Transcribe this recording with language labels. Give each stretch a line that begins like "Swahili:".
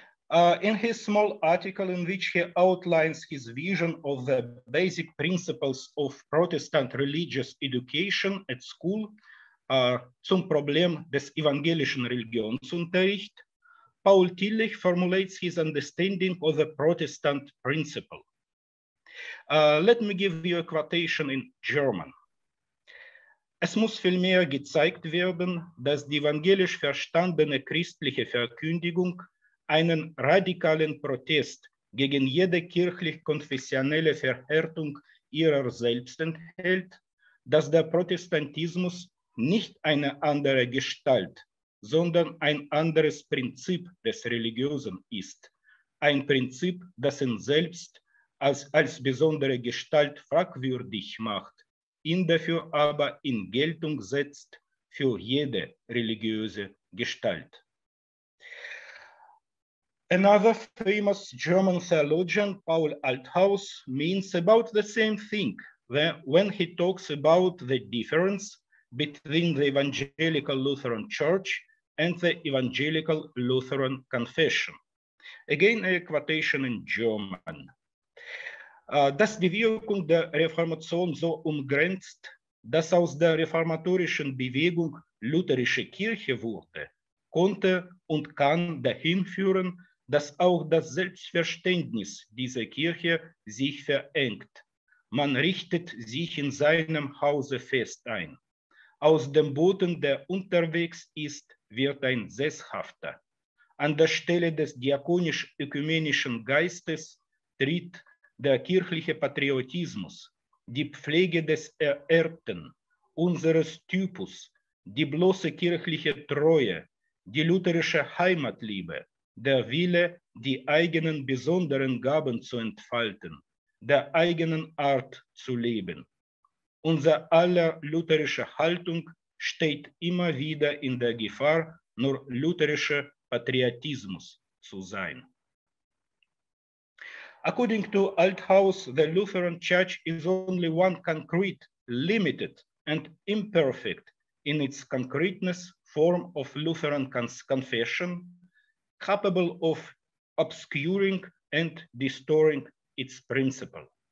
English: In his small article in which he outlines his vision of the basic principles of Protestant religious education at school,
German: zum Problem des evangelischen Religionsunterricht,
English: Paul Tillich formulates his understanding of the Protestant principle. Let me give you a quotation in German.
German: Es muss vielmehr gezeigt werden, dass die evangelisch verstandene christliche Verkündigung einen radikalen Protest gegen jede kirchlich-konfessionelle Verhärtung ihrer selbst enthält, dass der Protestantismus nicht eine andere Gestalt, sondern ein anderes Prinzip des Religiösen ist, ein Prinzip, das ihn selbst als besondere Gestalt fragwürdig macht, ihn dafür aber in Geltung setzt für jede religiöse Gestalt.
English: Another famous German theologian, Paul Althaus, means about the same thing when he talks about the difference between the Evangelical Lutheran Church and the Evangelical Lutheran Confession. Again, a quotation in German.
German: Dass die Wirkung der Reformation so umgrenzt, dass aus der reformatorischen Bewegung lutherische Kirche wurde, konnte und kann dahin führen, dass auch das Selbstverständnis dieser Kirche sich verengt. Man richtet sich in seinem Hause fest ein. Aus dem Boden, der unterwegs ist, wird ein Sesshafter. An der Stelle des diakonisch-ökumenischen Geistes tritt der kirchliche Patriotismus, die Pflege des Ererbten, unseres Typus, die bloße kirchliche Treue, die lutherische Heimatliebe, der Wille, die eigenen besonderen Gaben zu entfalten, der eigenen Art zu leben. Unser aller lutherische Haltung steht immer wieder in der Gefahr, nur lutherischer Patriotismus zu sein.
English: According to Althaus, the Lutheran Church is only one concrete, limited, and imperfect in its concreteness form of Lutheran confession, capable of obscuring and distorting its principle.